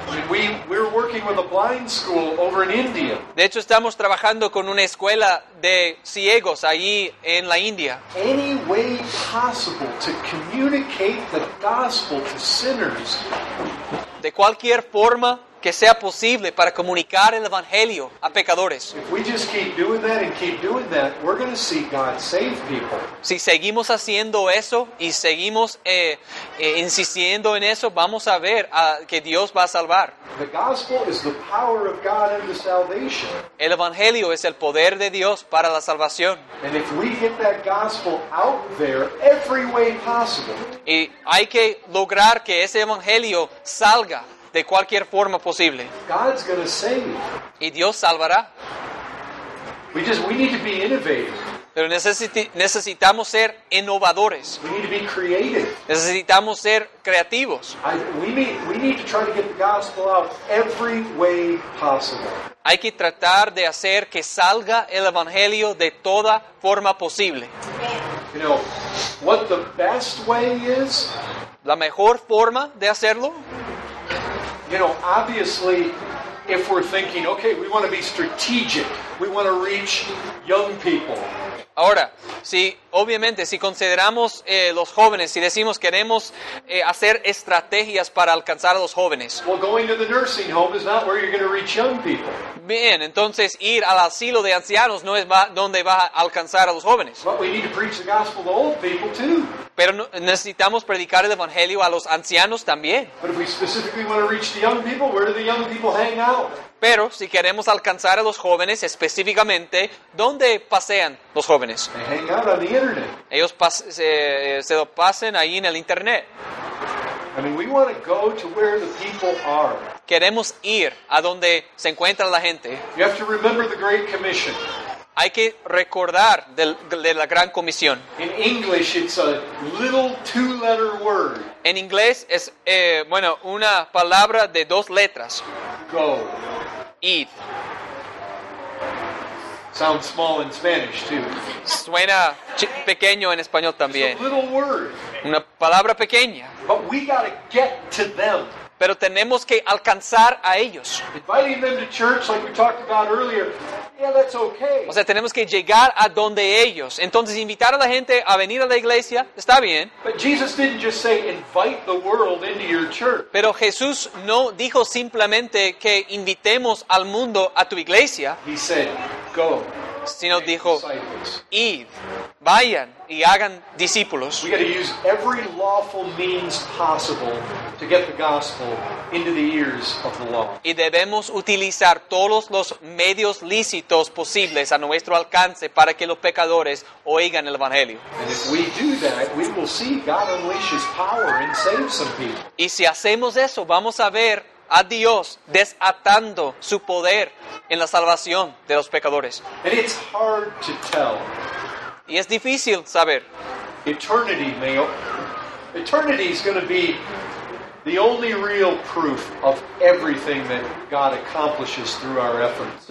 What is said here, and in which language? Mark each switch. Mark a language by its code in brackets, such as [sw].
[en] We're working with a blind school over in India. [es] De hecho, estamos trabajando con una escuela de ciegos allí en la India. [en] Any way possible to communicate the gospel to sinners. [es] De cualquier forma que sea posible para comunicar el evangelio a pecadores. [en] If we just keep doing that and keep doing that, we're going to see God save people. [es] Si seguimos haciendo eso y seguimos insistiendo en eso, vamos a ver que Dios va a salvar. [en] The gospel is the power of God unto salvation. [es] El evangelio es el poder de Dios para la salvación. [en] And if we get that gospel out there every way possible. [es] Y hay que lograr que ese evangelio salga de cualquier forma posible. [en] God's going to save. [es] Y Dios salvará. [en] We need to be innovative. [es] Pero necesitamos ser innovadores. [en] We need to be creative. [es] Necesitamos ser creativos. [en] We need to try to get the gospel out every way possible. [es] Hay que tratar de hacer que salga el evangelio de toda forma posible. [en] You know, what the best way is? [es] La mejor forma de hacerlo. [en] You know, obviously, if we're thinking, okay, we want to be strategic, we want to reach young people. [es] Ahora, si obviamente, si consideramos los jóvenes, si decimos queremos hacer estrategias para alcanzar a los jóvenes. [en] Well, going to the nursing home is not where you're going to reach young people. [es] Bien, entonces ir al asilo de ancianos no es donde va a alcanzar a los jóvenes. [en] But we need to preach the gospel to old people too. [es] Pero necesitamos predicar el evangelio a los ancianos también. [en] But if we specifically want to reach the young people, where do the young people hang out? [es] Pero si queremos alcanzar a los jóvenes específicamente, ¿dónde pasean los jóvenes? [en] They hang out on the internet. [es] Ellos se lo pasen ahí en el internet. [en] I mean, we want to go to where the people are. [es] Queremos ir a donde se encuentra la gente. [en] You have to remember the Great Commission. [es] Hay que recordar de la Gran Comisión. [en] In English, it's a little two-letter word. [es] En inglés es bueno, una palabra de dos letras. [en] Go. [es] Eat. [en] Sounds small in Spanish too. [es] Suena pequeño en español también. [en] It's a little word. [es] Una palabra pequeña. [en] But we gotta get to them. [es] Pero tenemos que alcanzar a ellos. [en] Inviting them to church, like we talked about earlier. Yeah, that's okay. [es] O sea, tenemos que llegar a donde ellos. Entonces, invitar a la gente a venir a la iglesia, está bien. [en] But Jesus didn't just say, invite the world into your church. [es] Pero Jesús no dijo simplemente que invitemos al mundo a tu iglesia. [en] He said, go. [es] Sino dijo, id, vayan y hagan discípulos. [en] We got to use every lawful means possible to get the gospel into the ears of the law. [es] Y debemos utilizar todos los medios lícitos posibles a nuestro alcance para que los pecadores oigan el evangelio. [en] And if we do that, we will see God unleash His power and save some people. [es] Y si hacemos eso, vamos a ver a Dios desatando su poder en la salvación de los pecadores. [en] And it's hard to tell. [es] Y es difícil saber. [en] Eternity is going to be the only real proof of everything that God accomplishes through our efforts.